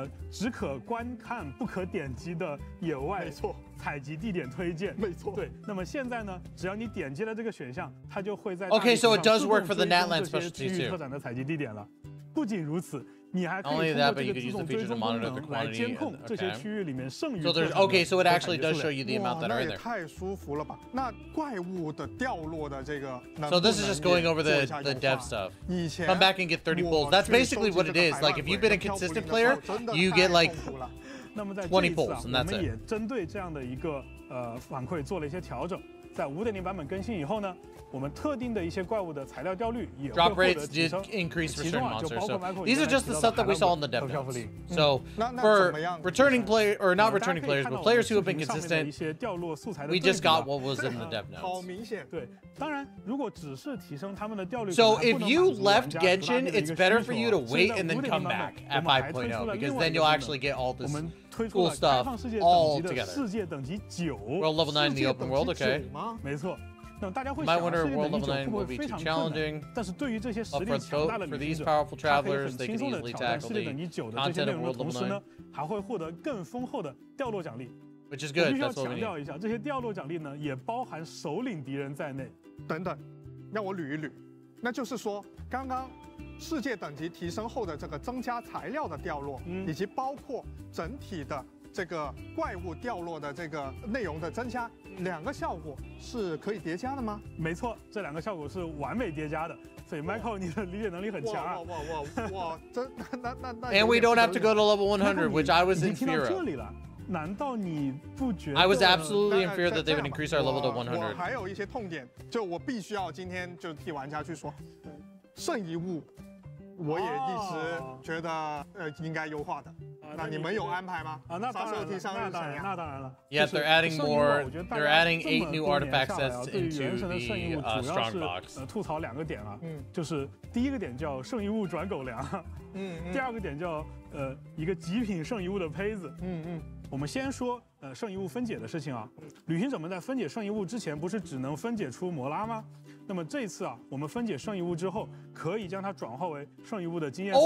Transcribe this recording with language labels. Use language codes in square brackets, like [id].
[zh] 只可观看不可点击的野外采集地点推荐，没错。对，那么现在呢，只要你点击了这个选项，它就会在 [en] OK, so it does work for the Natland specialty too. [zh] 这些区域特展的采集地点了。不仅如此，你还可以通过这个自动追踪功能来监控这些区域里面剩余的。 [en] OK, so it actually does show you the amount that are there. [zh] 那也太舒服了吧！那怪物的掉落的这个 [en] ，So this is just going over the dev stuff. Come back and get 30 pulls. That's basically what it is. Like if you've been a consistent player, you get like 20 pulls, and that's it. [zh] 我们也针对这样的一个反馈做了一些调整。在 5.0 版本更新以后呢，我们特定的一些怪物的材料掉率也会获得提升。 [en] Drop rates did increase for certain monsters. So these are just the stuff that we saw in the dev notes. So for returning player or not returning players, but players who have been consistent, we just got what was in the dev notes. [zh] 当然，如果只是提升他们的掉率， [en] so if you left Genshin, it's better for you to wait and then come back at 5.0 because then you'll actually get all this cool stuff all together. [zh] 世界等级九， [en] world level 9 in the open world, okay? [zh] 没错。 [en] Might wonder if World Level 9 will be too challenging. Upfront vote for these powerful travelers, they can easily tackle the content of World Level 9. Which is good, that's what we need. [zh] 这些掉落奖励呢，也包含首领敌人在内。等等，让我捋一捋。那就是说，刚刚世界等级提升后的这个增加材料的掉落，以及包括整体的这个怪物掉落的这个内容的增加，两个效果是可以叠加的吗？没错，这两个效果是完美叠加的。所以 Michael， 你的理解能力很强啊！哇，真那。 [en] And we don't have to go to level 100, which I was in fear of. [zh] 这里了，难道你不觉得 [en] ？I was absolutely in fear that they would increase our level to 100. [zh] 我还有一些痛点，就我必须要今天就替玩家去说，圣遗物，我也一直觉得应该优化的。那你们有安排吗？啊，那当然了，那当然了。 [en] Yes, they're adding more. They're adding 8 new artifact sets into the strong box. [zh] 吐槽两个点啊，就是第一个点叫圣遗物转狗粮，第二个点叫一个极品圣遗物的胚子，我们先说圣遗物分解的事情啊。旅行者们在分解圣遗物之前，不是只能分解出摩拉吗？那么这次啊，我们分解圣遗物之后，可以将它转化为圣遗物的经验素材。